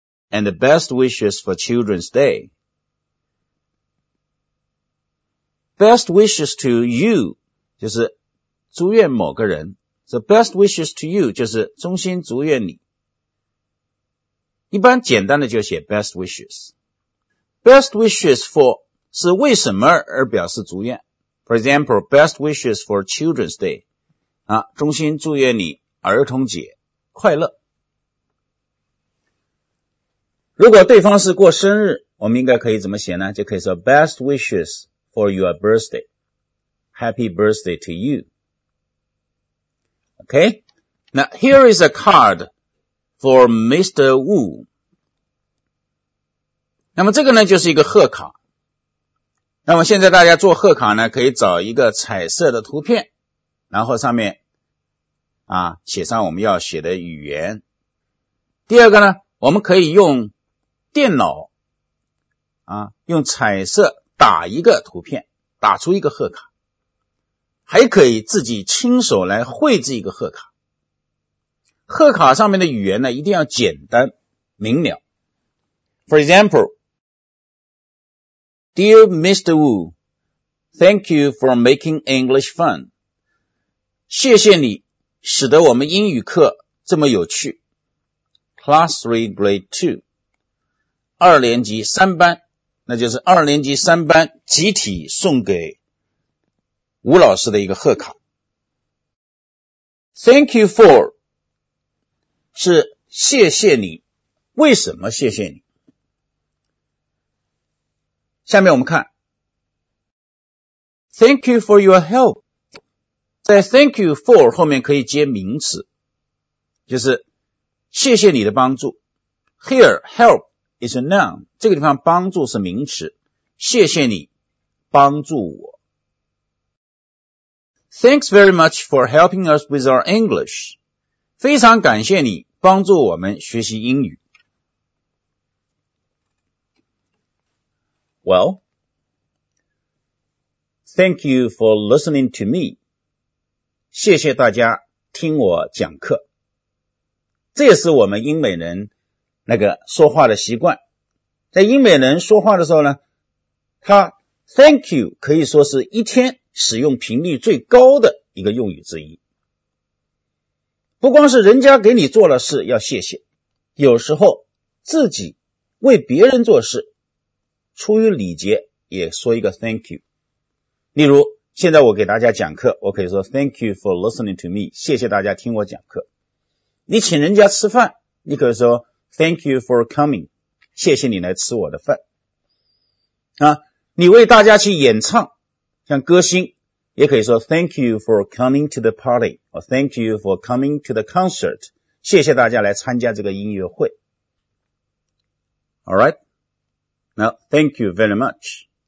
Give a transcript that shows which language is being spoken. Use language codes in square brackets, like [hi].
[en] And the best wishes for Children's Day. Best wishes to you [zh] 就是祝愿某个人。 [en] So best wishes to you [zh] 就是衷心祝愿你。一般简单的就写 [en] best wishes. Best wishes for [zh] 是为什么而表示祝愿。 [en] For example, best wishes for Children's Day. [zh] 啊，衷心祝愿你儿童节快乐。如果对方是过生日，我们应该可以怎么写呢？就可以说 [en] Best wishes for your birthday. Happy birthday to you. Okay? Now, here is a card for Mr. Wu. [zh] 那么这个呢，就是一个贺卡。那么现在大家做贺卡呢，可以找一个彩色的图片，然后上面啊，写上我们要写的语言。第二个呢，我们可以用电脑啊，用彩色打一个图片，打出一个贺卡，还可以自己亲手来绘制一个贺卡。贺卡上面的语言呢，一定要简单明了。 [en] For example, Dear Mr. Wu, thank you for making English fun. [zh] 谢谢你使得我们英语课这么有趣。 [en] Class 3, Grade 2, [zh] 二年级三班，那就是二年级三班集体送给吴老师的一个贺卡。 [en] Thank you for [zh] 是谢谢你，为什么谢谢你？下面我们看 [en] Thank you for your help， [zh] 在 [en] thank you for [zh] 后面可以接名词，就是谢谢你的帮助。 [en] Here help is a noun， [zh] 这个地方帮助是名词，谢谢你帮助我。 [en] Thanks very much for helping us with our English， [zh] 非常感谢你帮助我们学习英语。 [en] Well, thank you for listening to me. [zh] 谢谢大家听我讲课。这也是我们英美人那个说话的习惯。在英美人说话的时候呢，他 [en] thank you [zh] 可以说是一天使用频率最高的一个用语之一。不光是人家给你做了事要谢谢，有时候自己为别人做事出于礼节也说一个 [en] thank you。 [zh] 例如现在我给大家讲课，我可以说 [en] thank you for listening to me， [zh] 谢谢大家听我讲课。你请人家吃饭，你可以说 [en] thank you for coming， [zh] 谢谢你来吃我的饭啊。你为大家去演唱，像歌星也可以说 [en] thank you for coming to the party， or thank you for coming to the concert， [zh] 谢谢大家来参加这个音乐会。 [en] All right. Now, thank you very much.